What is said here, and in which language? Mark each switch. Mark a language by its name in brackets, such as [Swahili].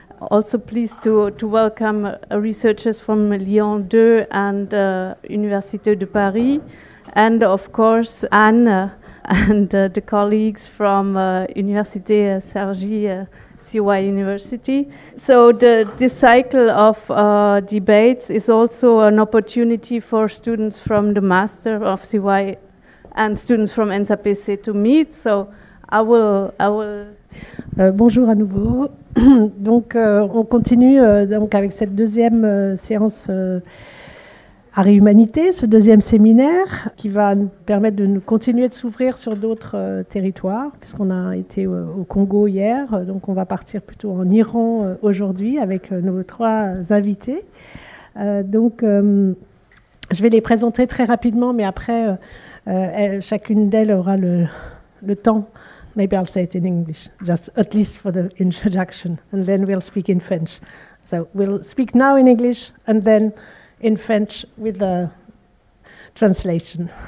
[English] Also pleased to welcome researchers from Lyon 2 and Université de Paris, and of course Anne and the colleagues from Université Cergy, CY University. So this cycle of debates is also an opportunity for students from the Master of CY and students from NSAPC to meet. So I will. [French] Bonjour à nouveau. Donc on continue donc avec cette deuxième séance Art et Humanité, ce deuxième séminaire qui va nous permettre de nous continuer de s'ouvrir sur d'autres territoires, puisqu'on a été au Congo hier, donc on va partir plutôt en Iran aujourd'hui avec nos trois invités. Je vais les présenter très rapidement, mais après chacune d'elles aura le temps. [English] Maybe I'll say it in English, just at least for the introduction, and then we'll speak in French. So we'll speak now in English, and then in French with the translation.